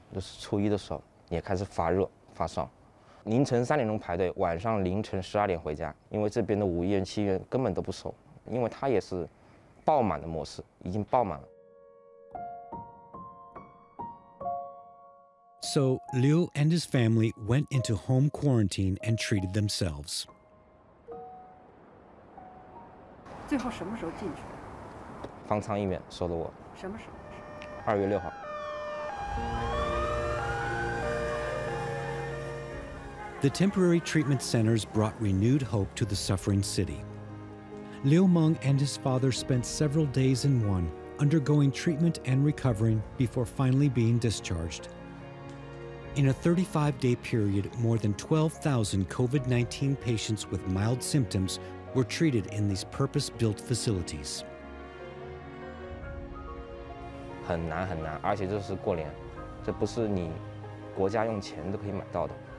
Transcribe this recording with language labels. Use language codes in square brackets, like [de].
[zh] 就是初一的时候，也开始发热发烧，凌晨3点钟排队，晚上凌晨12点回家，因为这边的五一人七院根本都不收，因为他也是爆满的模式，已经爆满了。 [en] So Liu and his family went into home quarantine and treated themselves. [zh] 最后什么时候进去的？方舱医院收的我。什么时候？2月6号。 [en] The temporary treatment centers brought renewed hope to the suffering city. Liu Meng and his father spent several days in one, undergoing treatment and recovering before finally being discharged. In a 35-day period, more than 12,000 COVID-19 patients with mild symptoms were treated in these purpose-built facilities. [zh] 很难很难，而且这是过年，这不是你国家用钱都可以买到的。